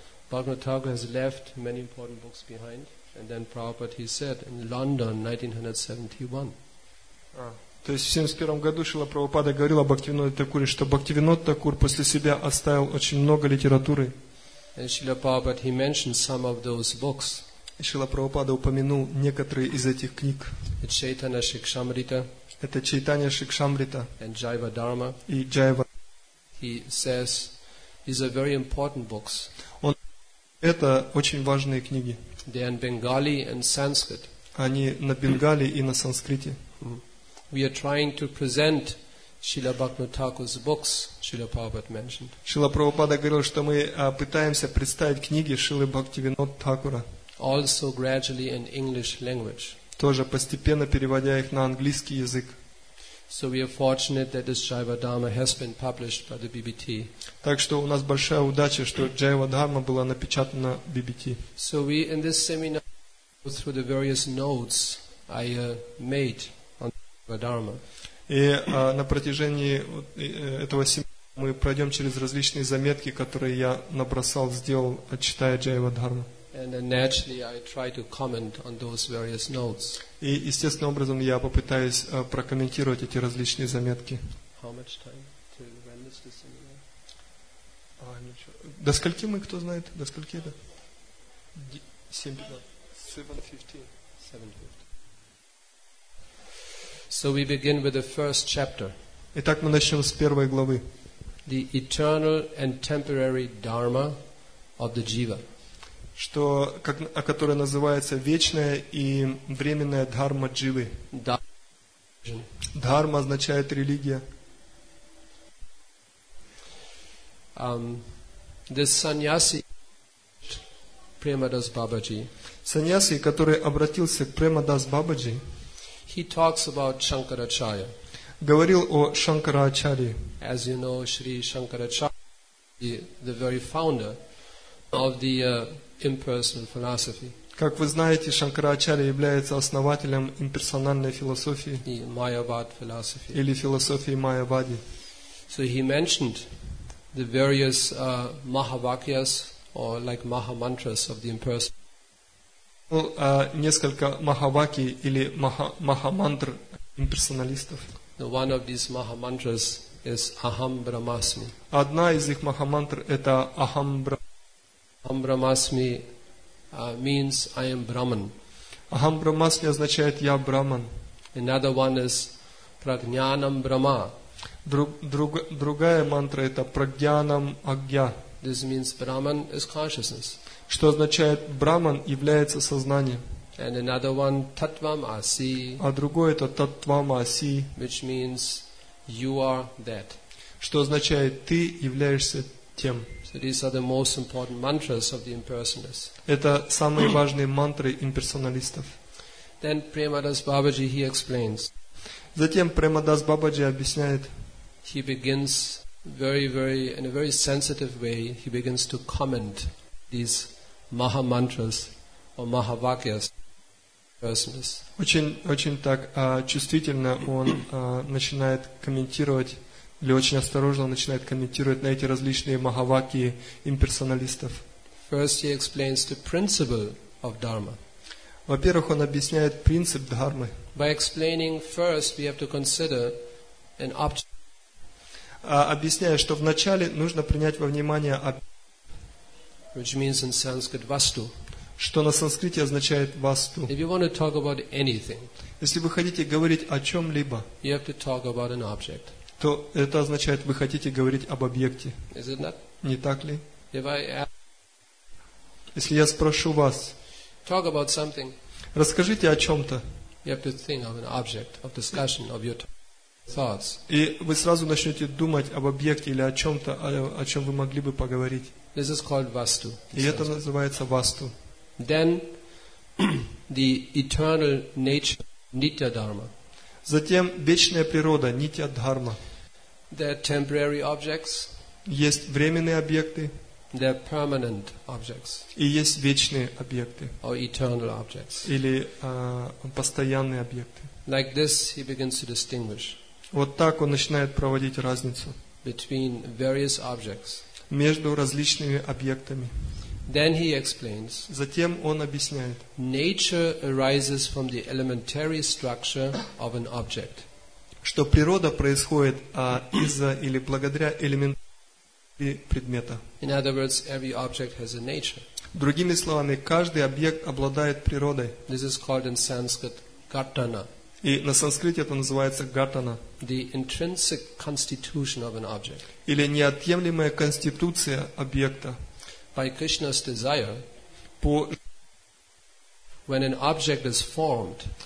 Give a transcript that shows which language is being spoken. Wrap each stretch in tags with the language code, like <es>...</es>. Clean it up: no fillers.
<en>Bhaktivinoda Thakur has left many important books behind, and then Prabhupada, he said, in London, 1971.</en> <ru>То есть в 71 году Шрила Прабхупада говорил о Бхактивинода Такуре, что Бхактивинода Такур после себя оставил очень много литературы.</ru> <en>And Srila Prabhupada, he mentioned some of those books.</en> <ru>Шрила Прабхупада упомянул некоторые из этих книг. Чайтанья Шикшамрита. Это Чайтанья Шикшамрита.</ru> <en>And Jaiva Dharma.</en> <ru>И Джайва.</ru> <en>He says, these are very important books.</en> <ru>Он, это очень важные книги.</ru> <en>They are in Bengali and Sanskrit.</en> <ru>Они на бенгали и на санскрите.</ru> <en>We are trying to present Srila Bhaktivinoda Thakur's books. Srila Prabhupada mentioned.</en> <ru>Шрила Прабхупада говорил, что мы пытаемся представить книги Шрилы Бхактивинода Такура.</ru> <en>Also gradually in English language.</en> <ru>Тоже постепенно переводя их на английский язык.</ru> <en>So we are fortunate that this Jaiva Dharma has been published by the BBT.</en> <ru>Так что у нас большая удача, что Jaiva Dharma была напечатана BBT.</ru> <en>So we in this seminar go through the various notes I made on Jaiva Dharma.</en> <ru>И на протяжении этого семинара мы пройдем через различные заметки, которые я набросал, сделал, читая Jaiva Dharma.</ru> <en>And then naturally, I try to comment on those various notes.</en> <ru>И естественным образом я попытаюсь прокомментировать эти различные заметки.</ru> <en>How much time to run this seminar?</en> <ru>До скольки мы, кто знает? До скольки это?</ru> <en>7:15. So we begin with the first chapter.</en> <ru>Итак, мы начнем с первой главы. The eternal and temporary dharma of the jiva. Что, как, о которой называется вечная и временная дхарма дживы. Дхарма означает религия.</ru> <en>This sannyasi, Premadas Babaji.</en> <ru>Sannyasi, который обратился к Премадас Бабаджи.</ru> <en>He talks about Shankaracharya.</en> <ru>Говорил о Шанкарачарье.</ru> <en>As you know, Sri Shankaracharya, the very founder of the impersonal philosophy.</en> <ru>Как вы знаете, Шанкарачарья является основателем имперсональной философии.</ru> <en>The Mayavad philosophy.</en> <ru>Или философии Майявади.</ru> <en>So he mentioned the various Mahavakyas or like Mahamantras of the impersonal.</en> <ru>Несколько Махаваки или Махамантр имперсоналистов.</ru> <en>The one of these Mahamantras is Aham Brahmasmi.</en> <ru>Одна из их Махамантр это Aham Brahmasmi.</ru> <en>Aham Brahmasmi means I am Brahman.</en> <ru>Aham Brahmasmi означает я Брахман.</ru> <en>Another one is Prajnanam Brahma.</en> <ru>Другая мантра это Prajnanam Agya.</ru> <en>This means Brahman is consciousness.</en> <ru>Что означает Брахман является сознанием.</ru> <en>And another one Tattvam Asi.</en> <ru>А другое это Tattvam Asi.</ru> <en>Which means you are that.</en> <ru>Что означает ты являешься тем.</ru> <en>So these are the most important mantras of the impersonalists.</en> <ru>Это самые важные мантры имперсоналистов.</ru> <en>Then Premadas Babaji he explains.</en> <ru>Затем Премадас Бабаджи объясняет.</ru> <en>He begins very in a very sensitive way. He begins to comment these maha mantras or maha vakyas impersonalists.</en> <ru>Очень так чувствительно он начинает комментировать или очень осторожно начинает комментировать на эти различные махаваки имперсоналистов.</ru> <en>First he explains the principle of dharma.</en> <ru>Во-первых, он объясняет принцип дхармы.</ru> <en>By explaining first, we have to consider an object.</en> <ru>Объясняя, что вначале нужно принять во внимание</ru> <en>which means in Sanskrit vastu.</en> <ru>Что на санскрите означает васту.</ru> <en>If you want to talk about anything,</en> <ru>если вы хотите говорить о чем-либо,</ru> <en>you have to talk about an object.</en> <ru>То это означает, вы хотите говорить об объекте.</ru> <en>Is it not?</en> <ru>Не так ли?</ru> <en>If I ask,</en> <ru>если я спрошу вас,</ru> <en>talk about something,</en> <ru>расскажите о чем-то,</ru> <en>you have to think of an object of discussion of your thoughts.</en> <ru>И вы сразу начнете думать об объекте или о чем-то, о чем вы могли бы поговорить.</ru> <en>This is called vastu.</en> <ru>И это называется васту.</ru> <en>Then the eternal nature, nitya dharma.</en> <ru>Затем вечная природа, нитья дхарма.</ru> <en>There are temporary objects.</en> <ru>Есть временные объекты.</ru> <en>There are permanent objects.</en> <ru>И есть вечные объекты.</ru> <en>Or eternal objects.</en> <ru>Или постоянные объекты.</ru> <en>Like this, he begins to distinguish.</en> <ru>Вот так он начинает проводить разницу.</ru> <en>Between various objects.</en> <ru>Между различными объектами.</ru> <en>Then he explains.</en> <ru>Затем он объясняет.</ru> <en>Nature arises from the elementary structure of an object.</en> <ru>Что природа происходит из-за или благодаря элементарности предмета.</ru> <en>In other words, every object has a nature.</en> <ru>Другими словами, каждый объект обладает природой.</ru> <en>This is called in Sanskrit gatana.</en> <ru>И на санскрите это называется гатана.</ru> <en>The intrinsic constitution of an object.</en> <ru>Или неотъемлемая конституция объекта.</ru> <en>By Krishna's desire,</en> <ru>по...</ru> <en>when an object is formed,</en>